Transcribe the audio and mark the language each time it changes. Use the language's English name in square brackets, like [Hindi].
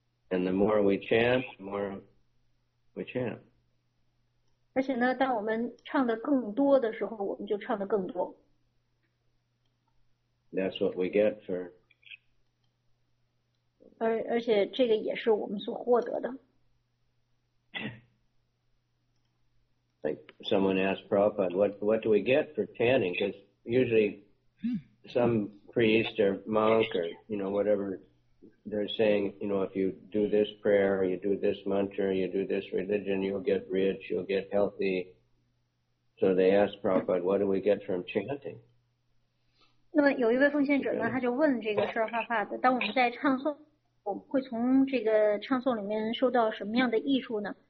[English] And the more we chant, the more we chant. [Chinese] 而且呢，当我们唱的更多的时候，我们就唱的更多。 [English] That's what we get for. [Chinese] 而且这个也是我们所获得的。 [English] Like someone asked Prabhupada, what do we get for chanting? Because usually some priest or monk or you know whatever they're saying, you know, if you do this prayer or you do this mantra, you do this religion, you'll get rich, you'll get healthy. So they asked Prabhupada, what do we get from chanting? [Chinese] 那么有一位奉献者呢，他就问这个事儿画画的，当我们在唱诵，我们会从这个唱诵里面受到什么样的益处呢？